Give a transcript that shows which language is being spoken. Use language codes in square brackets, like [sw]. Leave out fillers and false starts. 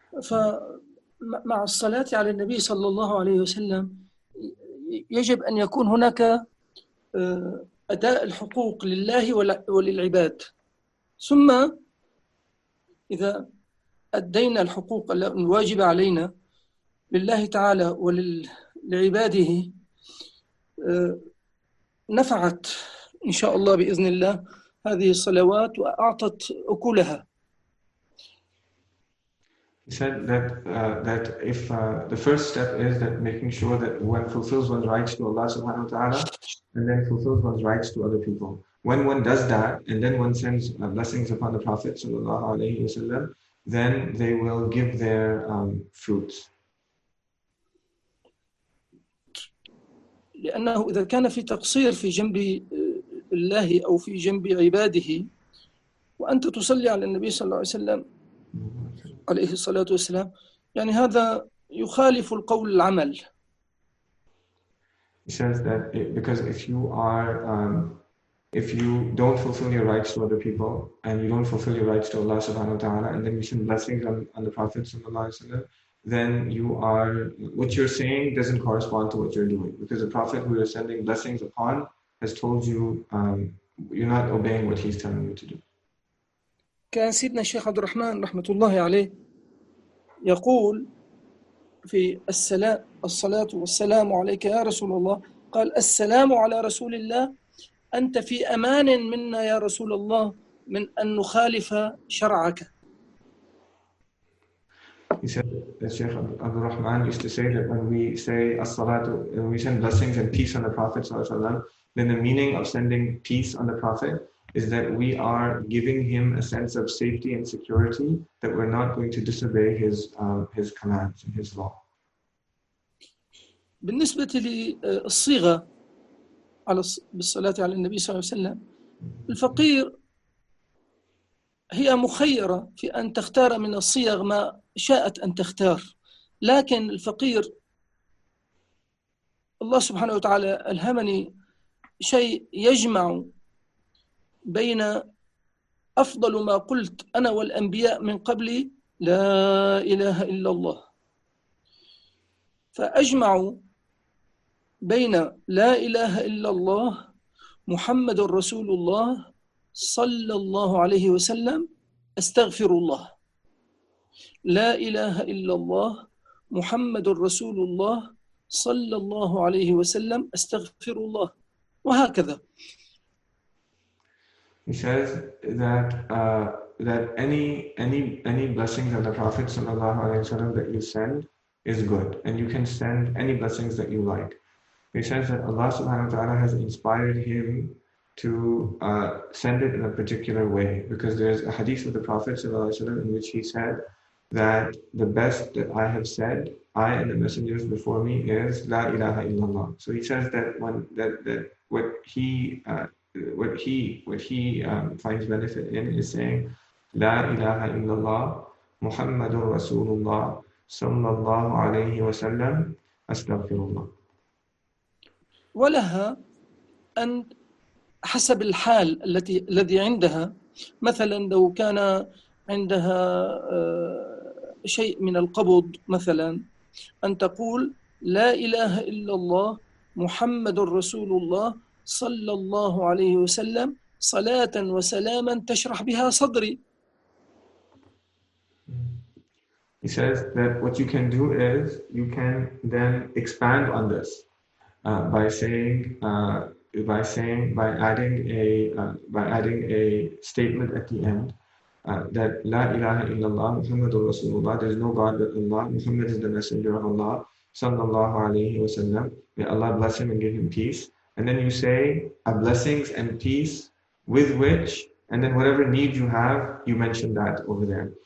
[ar] فمع الصلاة على النبي صلى الله عليه وسلم يجب أن يكون هناك أداء الحقوق لله وللعباد، ثم إذا أدينا الحقوق الواجبة علينا لله تعالى ولعباده نفعت إن شاء الله بإذن الله هذه الصلوات وأعطت أكلها. [en] He said that that if the first step is that making sure that one fulfills one's rights to Allah subhanahu wa ta'ala and then fulfills one's rights to other people. When one does that and then one sends blessings upon the Prophet sallallahu alayhi wa sallam, then they will give their fruits. [ar] لأنه إذا كان في تقصير في جنب الله أو في جنب عباده وأنت تصلي على النبي صلى الله عليه وسلم عليه الصلاة والسلام، يعني هذا يخالف القول العمل. [en] He says that because if you are if you don't fulfill your rights to other people and you don't fulfill your rights to Allah subhanahu wa ta'ala and then you send blessings on the Prophet sallallahu alaihi wasallam, then you are what you're saying doesn't correspond to what you're doing, because the Prophet who you're sending blessings upon has told you you're not obeying what he's telling you to do. [ar] كان سيدنا الشيخ عبد الرحمن رحمة الله عليه يقول في الصلاة والسلام عليك يا رسول الله، قال السلام على رسول الله، أنت في أمان منا يا رسول الله من أن نخالف شرعك. [en] He said that Shaykh Abdul Rahman used to say that when we say As-Salatu, when we send blessings and peace on the Prophet sallallahu alaihi wasallam, then the meaning of sending peace on the Prophet is that we are giving him a sense of safety and security that we're not going to disobey his commands and his law. [ar] بالنسبة للصيغة على بالصلاة على النبي صلى الله عليه وسلم، الفقير هي مخيرة في أن تختار من الصيغ ما شاءت أن تختار، لكن الفقير الله سبحانه وتعالى ألهمني شيء يجمع بين أفضل ما قلت أنا والأنبياء من قبلي لا إله إلا الله، فأجمع بين لا إله إلا الله محمد رسول الله صلى الله عليه وسلم أستغفر الله، لا إله إلا الله محمد رسول الله صلى الله عليه وسلم أستغفر الله، وهكذا. [en] He says that that any blessings of the Prophet sallallahu alaihi wasallam that you send is good, and you can send any blessings that you like. He says that Allah subhanahu wa ta'ala has inspired him to send it in a particular way, because there's a hadith of the Prophet sallallahu alaihi wasallam in which he said that the best that I have said, I and the messengers before me, is [ar] la ilaha illallah. [en] So he says that when that what he finds benefit in is saying [ar] la ilaha illallah Muhammadur Rasulullah sallallahu alaihi wasallam astaghfirullah. ولها أن حسب الحال الذي عندها، مثلا لو كان عندها شيء من القبض مثلا، أن تقول لا إله إلا الله محمد رسول الله صلى الله عليه وسلم صلاة وسلاما تشرح بها صدري. [en] He says that what you can do is you can then expand on this by adding a statement at the end that [ar] la ilaha illallah Muhammadur Rasulullah, [en] there is no god but Allah, Muhammad is the messenger of Allah sallallahu alayhi wa sallam, may Allah bless him and give him peace, and then you say a blessings and peace with which, and then whatever need you have you mention that over there.